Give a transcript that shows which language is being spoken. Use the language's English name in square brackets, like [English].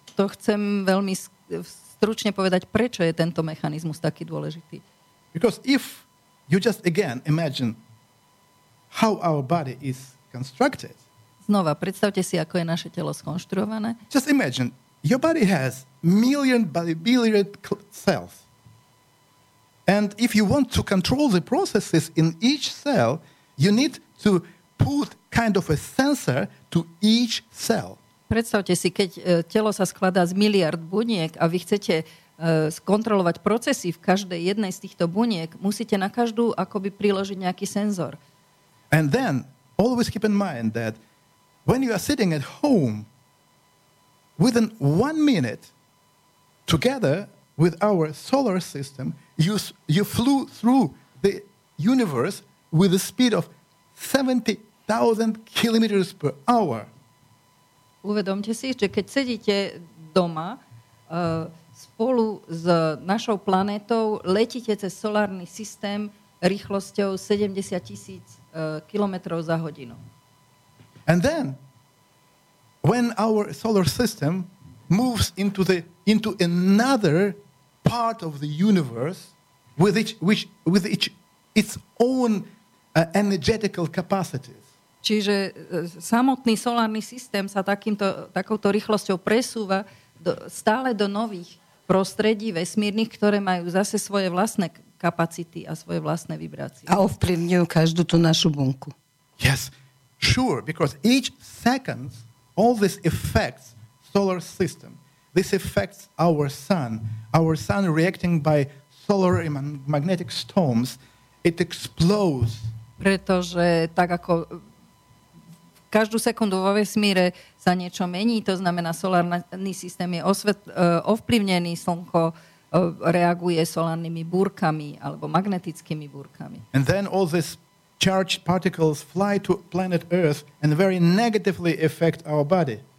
[Slovak] To chcem veľmi stručne povedať, prečo je tento mechanizmus taký dôležitý. [English] Because if you just again imagine how our body is constructed. [Slovak] Znova, predstavte si, ako je naše telo skonštruované. [English] Just imagine, your body has million billion cells. And if you want to control the processes in each cell, you need to put kind of a sensor to each cell. [Slovak] Predstavte si, keď telo sa skladá z miliard buniek a vy chcete skontrolovať procesy v každej jednej z týchto buniek, musíte na každú akoby priložiť nejaký senzor. [English] And then always keep in mind that when you are sitting at home within 1 minute together with our solar system, you flew through the universe with a speed of 70,000 kilometers per hour. [Slovak] Uvedomte si, že keď sedíte doma spolu s našou planetou, letíte cez solárny systém rýchlosťou 70,000 kilometrov za hodinu. [English] And then, when our solar system moves into another part of the universe with each its own energetical capacities. [Slovak] Čiže samotný solárny systém sa takouto rýchlosťou presúva stále do nových prostredí vesmírnych, ktoré majú zase svoje vlastné kapacity a svoje vlastné vibrácie. A ovplyvňujú každú tú našu bunku. [English] Yes, sure, because each second all this affects solar system. This affects our sun. Our sun reacting by solar magnetic storms. It explodes. [Slovak] Pretože tak ako každú sekundu vo vesmíre sa niečo mení, to znamená solárny systém je ovplyvnený, slnko reaguje solárnymi búrkami alebo magnetickými búrkami. [English] And then all these charged particles fly to planet Earth and very negatively affect our body.